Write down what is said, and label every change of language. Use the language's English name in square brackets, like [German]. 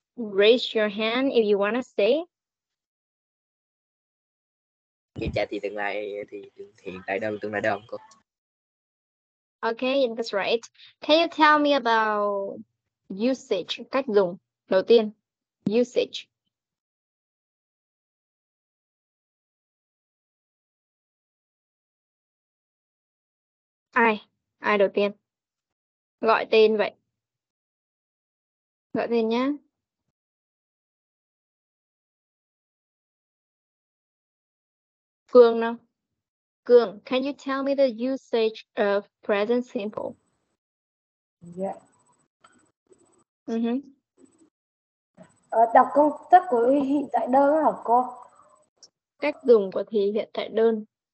[English] Raise your hand if you want to say. [Vietnamese] Kiểm tra thì tương lai thì hiện tại đâu, tương lai đâu cô? [English] Okay, that's right. Can you tell me about usage, [Vietnamese] cách dùng? Đầu tiên, usage. Ai? Ai đầu tiên? Gọi tên vậy. Gọi tên nhé. Phương nào? [English] Cường, can you tell me the usage of present simple? Yeah. Uh-huh. [Vietnamese] Đọc công thức của hiện tại đơn hả cô? cách dùng của thì hiện tại đơn.